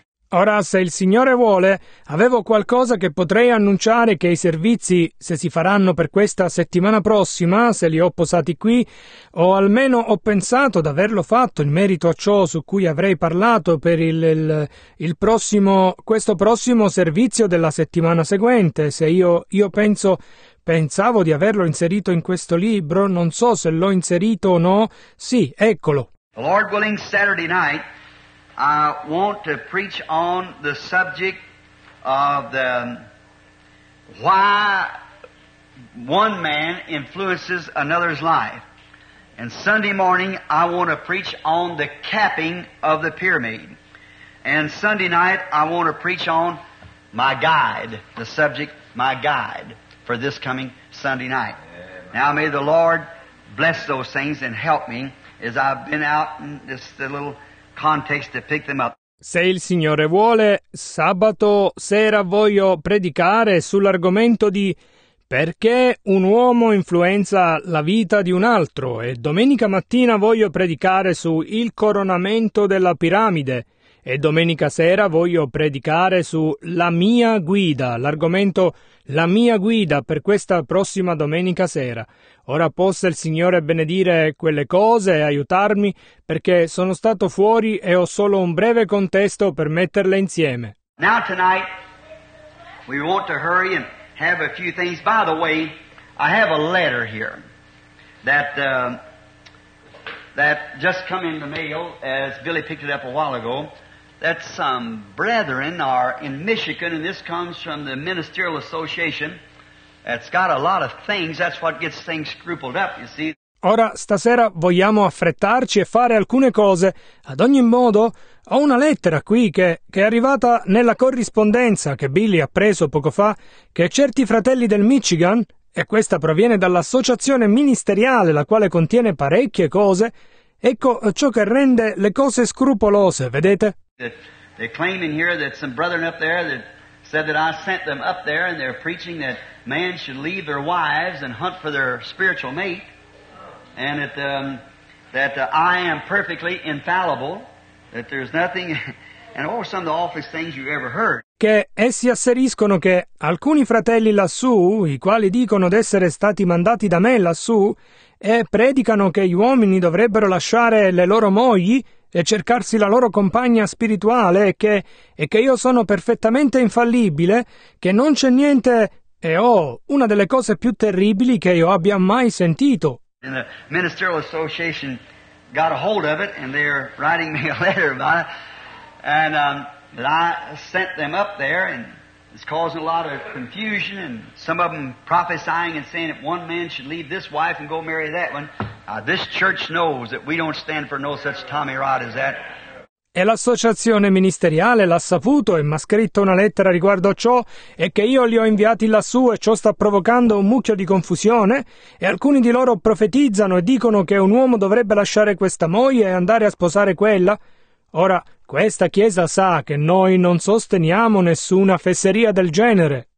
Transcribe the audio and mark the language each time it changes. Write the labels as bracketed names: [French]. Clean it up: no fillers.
[Italian] Ora, se il Signore vuole, avevo qualcosa che potrei annunciare, che i servizi, se si faranno per questa settimana prossima, se li ho posati qui, o almeno ho pensato di averlo fatto in merito a ciò su cui avrei parlato per questo prossimo servizio della settimana seguente, se io pensavo di averlo inserito in questo libro, non so se l'ho inserito o no. Sì, eccolo. [English] The Lord willing, Saturday night, I want to preach on the subject of the why one man influences another's life. And Sunday morning, I want to preach on the capping of the pyramid. And Sunday night, I want to preach on my guide, the subject, my guide. For this coming Sunday night. Now may the Lord bless those things and help me as I've been out in this little context to pick them up. [Italian] Se il Signore vuole, sabato sera voglio predicare sull'argomento di perché un uomo influenza la vita di un altro e domenica mattina voglio predicare su il coronamento della piramide e domenica sera voglio predicare su la mia guida, l'argomento la mia guida per questa prossima domenica sera. Ora possa il Signore benedire quelle cose e aiutarmi, perché sono stato fuori e ho solo un breve contesto per metterle insieme. [English] Now tonight we want to hurry and have a few things. By the way, I have a letter here that just come in the mail, as Billy picked it up a while ago. That some brethren are in Michigan, and this comes from the Ministerial Association. That's got a lot of things. That's what gets things scrupled up, you see. [Italian] Ora, stasera vogliamo affrettarci e fare alcune cose. Ad ogni modo, ho una lettera qui che è arrivata nella corrispondenza che Billy ha preso poco fa, che certi fratelli del Michigan, e questa proviene dall'associazione ministeriale, la quale contiene parecchie cose, ecco ciò che rende le cose scrupolose, vedete? [English] That they claim in here that some brethren up there that said that I sent them up there and they're preaching that man should leave their wives and hunt for their spiritual mate, and that I am perfectly infallible, that there's nothing, and all some of the awfulest things you ever heard. [Italian] Che essi asseriscono che alcuni fratelli lassù, i quali dicono d'essere stati mandati da me lassù, e predicano che gli uomini dovrebbero lasciare le loro mogli e cercarsi la loro compagna spirituale, e che io sono perfettamente infallibile, che non c'è niente, e ho una delle cose più terribili che io abbia mai sentito. [English] And the Ministerial Association got a hold of it, and they're writing me a letter about it, and I sent them up there, and it's causing a lot of confusion, and some of them prophesying and saying that one man should leave this wife and go marry that one. This church knows that we don't stand for no such Tommy Rod as that. [Italian] e l'associazione ministeriale l'ha saputo e mi ha scritto una lettera riguardo ciò, e che io li ho inviati lassù e ciò sta provocando un mucchio di confusione, e alcuni di loro profetizzano e dicono che un uomo dovrebbe lasciare questa moglie e andare a sposare quella. Ora, questa chiesa sa che noi non sosteniamo nessuna fesseria del genere.